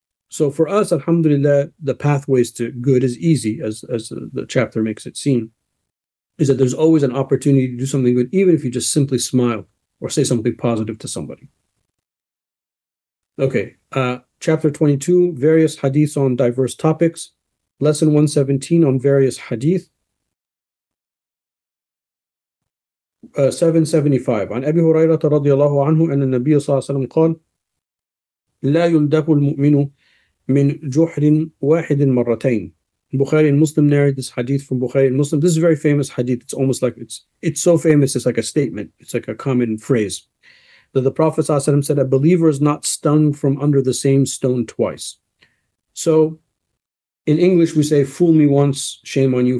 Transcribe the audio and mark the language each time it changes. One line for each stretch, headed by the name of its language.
English: So for us, alhamdulillah, the pathways to good is easy, as the chapter makes it seem, is that there's always an opportunity to do something good, even if you just simply smile or say something positive to somebody. Okay, chapter 22, various hadiths on diverse topics. Lesson 117 on various hadith. 775.
Arabic: عن أبي هريرة رضي الله عنه أن النبي صلى الله عليه وسلم قال لا يلدق المؤمن من جحر واحد مرتين.
English: Bukhari and Muslim narrated this hadith from Bukhari and Muslim. This is a very famous hadith. It's almost like it's so famous. It's like a statement. It's like a common phrase that the Prophet صلى الله عليه وسلم said, a believer is not stung from under the same stone twice. So in English we say, fool me once, shame on you.